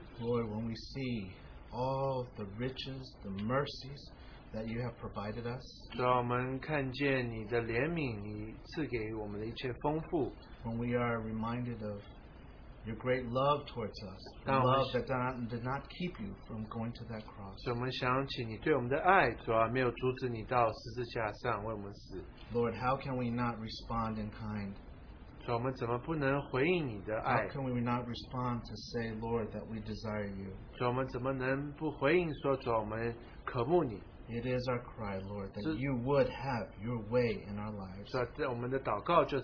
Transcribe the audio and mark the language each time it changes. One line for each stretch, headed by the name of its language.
English: Lord, when we see all the riches, the mercies that you have provided us,
Chinese: 主啊,
English: when we are reminded of your great love towards us, love that did not keep you from going to that cross.
Chinese: 我们想起你对我们的爱, 主啊, 没有阻止你到十字架上为我们死。
English: Lord, how can we not respond in kind?
Chinese: 主啊,
English: how can we not respond to say, Lord, that we desire you?
Chinese: 主啊,
English: it is our cry, Lord, that you would have your way in our lives.